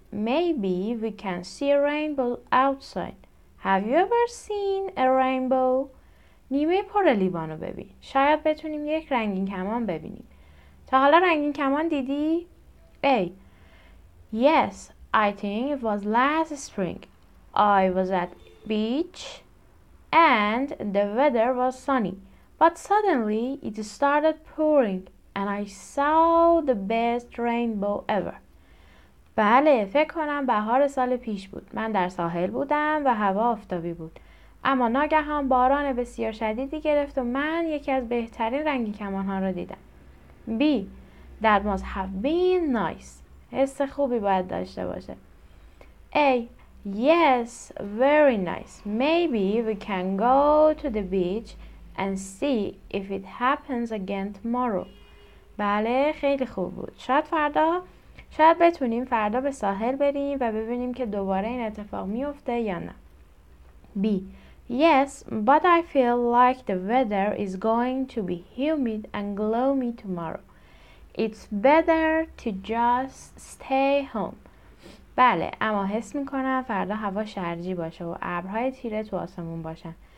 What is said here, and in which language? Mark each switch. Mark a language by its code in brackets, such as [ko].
[en] Maybe we can see a rainbow outside. Have you ever seen a rainbow? [fa] نیمه پر لیوانو ببین. شاید بتونیم یک رنگین کمان ببینیم. تا حالا رنگین کمان دیدی؟ [en] A. Yes, I think it was last spring. I was at beach and the weather was sunny. But suddenly it started pouring and I saw the best rainbow ever. [fa] بله، فکر کنم بهار سال پیش بود. من در ساحل بودم و هوا آفتابی بود. اما ناگهان باران بسیار شدیدی گرفت و من یکی از بهترین رنگی کمان ها را دیدم. [en] B. That must have been nice. [fa] حس خوبی باید داشته باشه. [en] A. Yes, very nice. Maybe we can go to the beach and see if it happens again tomorrow. [fa] بله، خیلی خوب بود. شاید بتونیم فردا به ساحل بریم و ببینیم که دوباره این اتفاق میفته یا نه. B. [en] Yes, but I feel like the weather is going to be humid and gloomy tomorrow. It's better to just stay home. [fa] بله، اما حس میکنم فردا هوا شرجی باشه و ابرهای تیره تو آسمون باشن.